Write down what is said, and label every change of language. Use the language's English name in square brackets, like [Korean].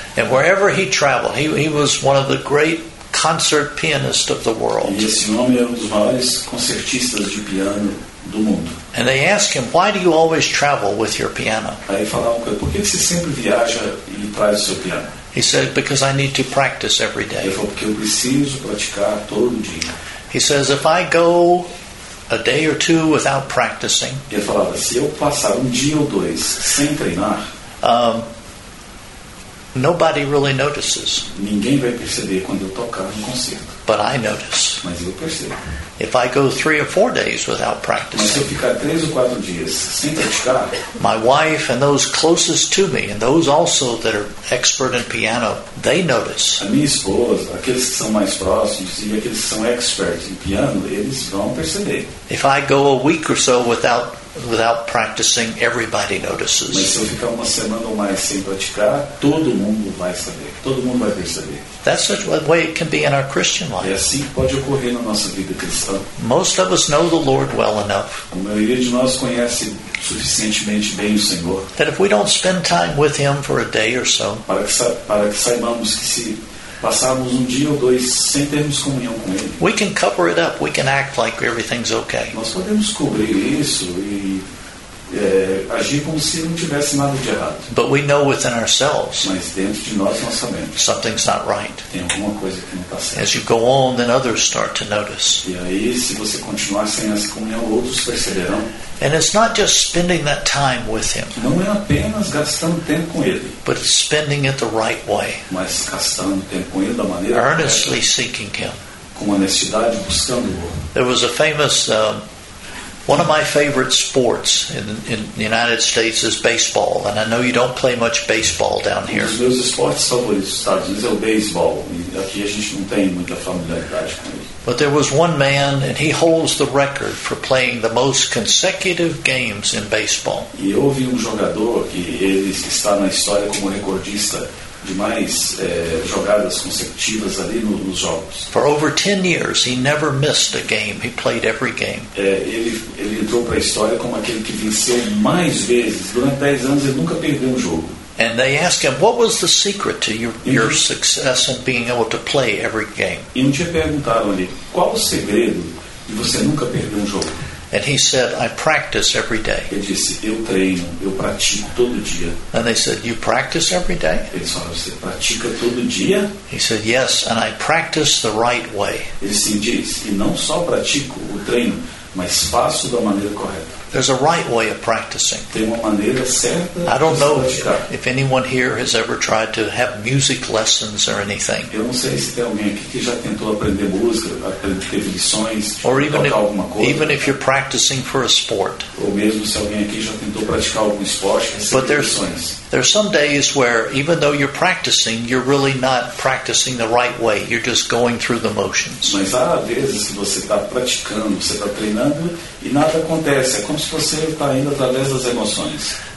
[English] And wherever he traveled, he was one of the great concert pianist of the world. [Portuguese] E esse homem era um dos maiores concertistas de piano do mundo. [English] And they asked him, why do you always travel with your piano? [Portuguese] Aí falaram com ele, por que você sempre viaja e traz o seu piano? [English] He said, because I need to practice every day. [Portuguese] Ele falou, porque eu preciso praticar todo dia. [English] He says, if I go a day or two without practicing, [Portuguese] ele falava, se eu passar dia ou dois sem treinar, [English] nobody really notices. [Portuguese] Ninguém vai perceber quando eu tocar concerto. [English] But I notice. [Portuguese] Mas eu percebo. [English] If I go 3 or 4 days without practicing, [Portuguese] mas se eu ficar 3 ou 4 dias sem praticar, [English] my wife and those closest to me, and those also that are expert in piano, they notice. [Portuguese] A minha esposa, aqueles que são mais próximos e aqueles que são experts em piano, eles vão perceber. [English] If I go a week or so without practicing, everybody notices. [Portuguese] Mas se eu ficar uma semana ou mais sem praticar, todo mundo vai saber. Todo mundo vai perceber. [English] That's the way it can be in our Christian life. [Portuguese] É assim que pode ocorrer na nossa vida cristã. [English] Most of us know the Lord well enough. [Portuguese] A maioria de nós conhece suficientemente bem o Senhor. [English] That if we don't spend time with Him for a day or so, [Portuguese] para que saibamos que se passarmos dia ou dois sem termos comunhão com Ele, [English] we can cover it up. We can act like everything's okay. [Portuguese] Nós podemos cobrir isso e agir como se não tivesse nada de errado. [English] But we know within ourselves, [Portuguese] mas dentro de nós sabemos, [English] something's not right. [Portuguese] Tem alguma coisa que não está certa. [English] As you go on, then others start to notice. [Portuguese] E aí, se você continuar sem essa comunhão, outros perceberão. [English] And it's not just spending that time with Him. [Portuguese] Não é apenas gastando tempo com Ele. [English] But spending it the right way. [Portuguese] Mas gastando tempo com Ele da maneira [English] earnestly [Portuguese] correta, [English] seeking Him. [Portuguese] Com honestidade, buscando-o. [English] There was a famous one of my favorite sports in the United States is baseball, and I know you don't play much baseball down here. [Portuguese] Um dos meus esportes favoritos nos Estados Unidos é o beisebol, e aqui a gente não tem muita familiaridade com ele. [English] But there was one man, and he holds the record for playing the most consecutive games in baseball. [Portuguese] E houve jogador que ele está na história como recordista de mais jogadas consecutivas ali nos jogos. [English] For over 10 years, he never missed a game. He played every game. [Portuguese] Ele entrou para a história como aquele que venceu mais vezes. Durante 10 anos, ele nunca perdeu um jogo. [English] And they asked him, what was the secret to your success in being able to play every game? [Portuguese] E um dia perguntaram ali, qual o segredo de você nunca perder um jogo? [English] And he said, I practice every day. [Portuguese] Ele disse, eu treino, eu pratico todo dia. [English] And they said, you practice every day? [Portuguese] Ele disse, você pratica todo dia? [English] He said, yes, and I practice the right way. [Portuguese] Ele sim diz, e não só pratico o treino, mas faço da maneira correta. [English] There's a right way of practicing. [Portuguese] Tem uma maneira certa. [English] I don't know [Portuguese] praticar. [English] If anyone here has ever tried to have music lessons or anything. [Portuguese] Eu não sei se tem alguém aqui que já tentou aprender música, teve lições, [English] or [Portuguese] tocar [English] if, [Portuguese] alguma coisa. [English] Even if you're practicing for a sport. [Portuguese] Ou mesmo se alguém aqui já tentou praticar algum esporte, [English] but [Portuguese] teve lições. [English] There's some days where even though you're practicing, you're really not practicing the right way. You're just going through the motions. [Portuguese] Mas há vezes que você está praticando, você está treinando e nada acontece. É como se você está indo através das emoções.